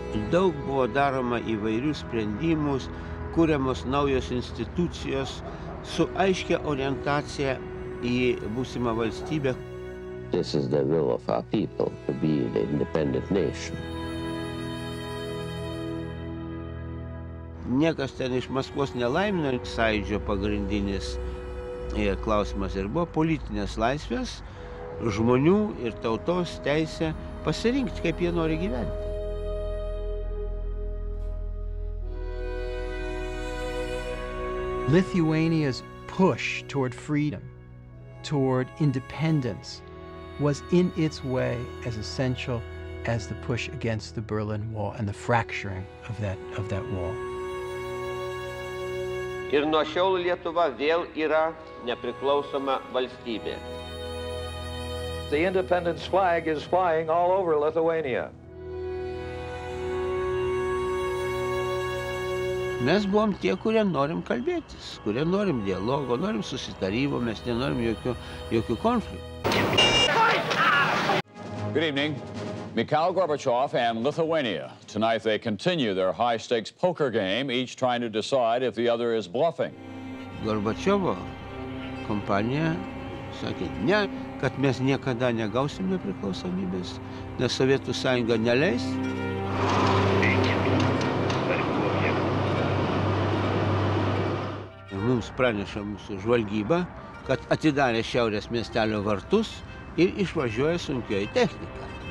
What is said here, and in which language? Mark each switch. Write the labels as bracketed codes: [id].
[lt] Daug buvo daroma įvairių sprendimus, kuriamos naujos institucijos su aiškia orientacija į būsimą valstybę. [en] This is the will of our people to be an independent nation. [lt] Niekas ten iš Maskvos nelaimino sąjūdžio pagrindinis klausimas ir buvo politinės laisvės, žmonių ir tautos teisė pasirinkti, kaip jie nori gyventi. [en] Lithuania's push toward freedom, toward independence, was in its way as essential as the push against the Berlin Wall and the fracturing of that wall. [lt] Ir nuo šiol Lietuva vėl yra nepriklausoma valstybė. [en] The independence flag is flying all over Lithuania. [lt] Mes buvom tie, kurie norim kalbėtis, kurie norim dialogo, norim susitarimo, mes nenorim jokių konfliktų. [en] Good evening. Mikhail Gorbachev and Lithuania. Tonight they continue their high-stakes poker game, each trying to decide if the other is bluffing. [lt] Gorbačiovo kompanija sakė, ne, kad mes niekada negausim nepriklausomybės, nes Sovietų Sąjunga neleis. Mums praneša mūsų žvalgyba, kad atidarė šiaurės miestelio vartus ir išvažiuoja sunkioji technika.